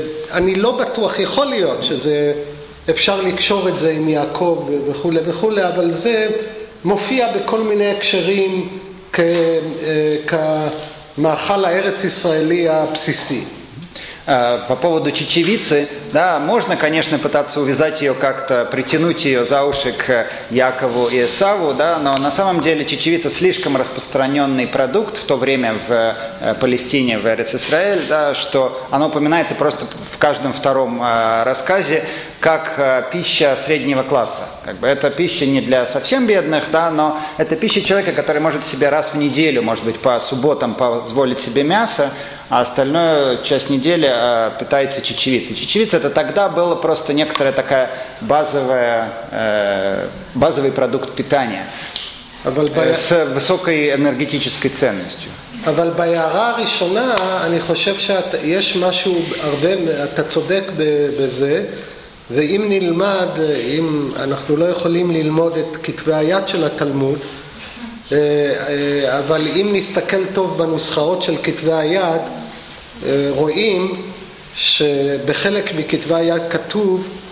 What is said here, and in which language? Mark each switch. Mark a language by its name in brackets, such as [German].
[Hebrew] אני לא בטוח, יכול להיות שזה, אפשר לקשור את זה עם יעקב וכו' וכו', אבל זה מופיע בכל מיני הקשרים כמאכל הארץ ישראלי הבסיסי. [Russian] По поводу чечевицы, да, можно, конечно, пытаться увязать ее как-то, притянуть ее за уши к Якову и Эсаву, да, но на самом деле чечевица слишком распространенный продукт в то время в Палестине, в Эрец-Исраэль, да, что оно упоминается просто в каждом втором рассказе как пища среднего класса. Как бы это пища не для совсем бедных, да, но это пища человека, который может себе раз в неделю, может быть, по субботам позволить себе мясо, а остальную часть недели питается чечевицей. Чечевица – это тогда было просто некоторая такая базовая, базовый продукт питания с высокой энергетической ценностью. [Hebrew] אבל בהערה הראשונה אני חושב שיש משהו הרבה, אתה צודק בזה, ואם נלמד, אם אנחנו לא יכולים ללמוד את כתבי היד של התלמוד, אבל אם נסתכל טוב בנוסחאות של כתבי היד, רואים שבחלק מכתבי היד כתוב